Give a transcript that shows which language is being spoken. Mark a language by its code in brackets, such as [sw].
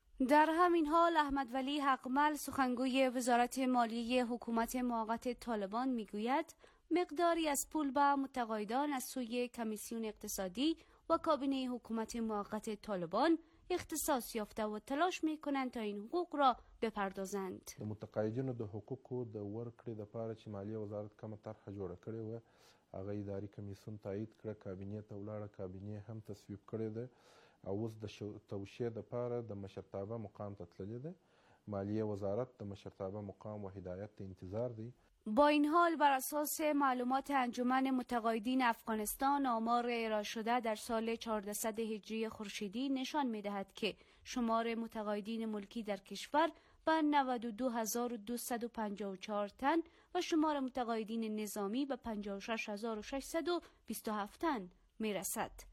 [fa] در همین حال احمد ولی حقمل، سخنگوی وزارت مالی حکومت موقت طالبان، میگوید مقداری از پول به متقاعدان از سوی کمیسیون اقتصادی و کابینه حکومت موقت طالبان اختصاص یافته و تلاش میکنند تا این حقوق را بپردازند. [ps] متقاعدین د حقوق او د ورکړې د پاره چې مالی وزارت کوم طرح جوړ کړی و هغه اداري کمیسیون تایید کړ، کابینه ته ولاړه، کابینه هم تصویب کړی ده او اوس د توشیه د پاره د مشرتابه مقام ته تللی ده. مالیه وزارت د مشرتابه مقام و هدایت ته انتظار دی. [fa] با این حال بر اساس معلومات انجمن متقاعدین افغانستان، آمار ارائه شده در سال 1400 هجری خورشیدی نشان می‌دهد که شمار متقاعدین ملکی در کشور به 92254 تن و شمار متقاعدین نظامی به 56627 تن می‌رسد.